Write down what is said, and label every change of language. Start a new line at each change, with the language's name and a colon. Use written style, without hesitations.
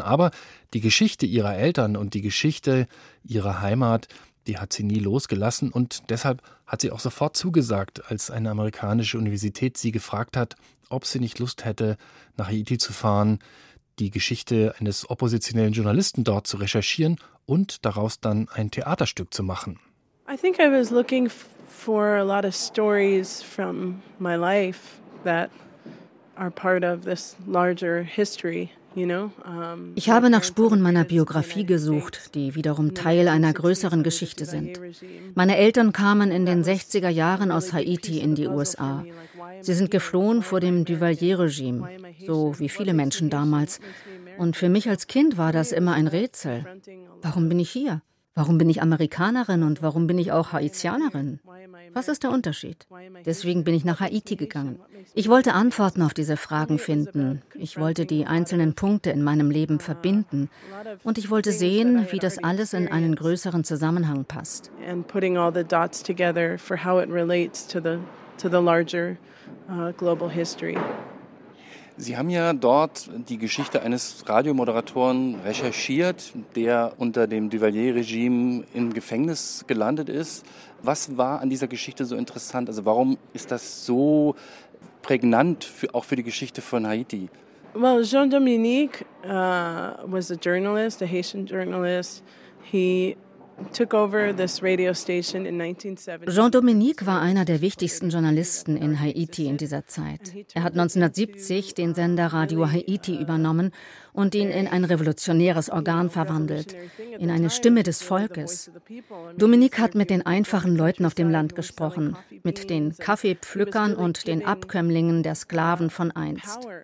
German: Aber die Geschichte ihrer Eltern und die Geschichte ihrer Heimat, die hat sie nie losgelassen. Und deshalb hat sie auch sofort zugesagt, als eine amerikanische Universität sie gefragt hat, ob sie nicht Lust hätte, nach Haiti zu fahren, die Geschichte eines oppositionellen Journalisten dort zu recherchieren und daraus dann ein Theaterstück zu machen.
English: I think I was looking for a lot of stories from my life that are part of this larger history.
German: Ich habe nach Spuren meiner Biografie gesucht, die wiederum Teil einer größeren Geschichte sind. Meine Eltern kamen in den 60er Jahren aus Haiti in die USA. Sie sind geflohen vor dem Duvalier-Regime, so wie viele Menschen damals. Und für mich als Kind war das immer ein Rätsel. Warum bin ich hier? Warum bin ich Amerikanerin und warum bin ich auch Haitianerin? Was ist der Unterschied? Deswegen bin ich nach Haiti gegangen. Ich wollte Antworten auf diese Fragen finden. Ich wollte die einzelnen Punkte in meinem Leben verbinden. Und ich wollte sehen, wie das alles in einen größeren Zusammenhang passt.
English: And putting all the dots together for how it relates to the larger global history.
German: Sie haben ja dort die Geschichte eines Radiomoderatoren recherchiert, der unter dem Duvalier-Regime im Gefängnis gelandet ist. Was war an dieser Geschichte so interessant? Also warum ist das so prägnant auch für die Geschichte von Haiti?
English: Well, Jean-Dominique was a journalist, a Haitian journalist. He took over this radio station in 1970.
German: Jean-Dominique war einer der wichtigsten Journalisten in Haiti in dieser Zeit. Er hat 1970 den Sender Radio Haiti übernommen und ihn in ein revolutionäres Organ verwandelt, in eine Stimme des Volkes. Dominique hat mit den einfachen Leuten auf dem Land gesprochen, mit den Kaffeepflückern und den Abkömmlingen der Sklaven von einst.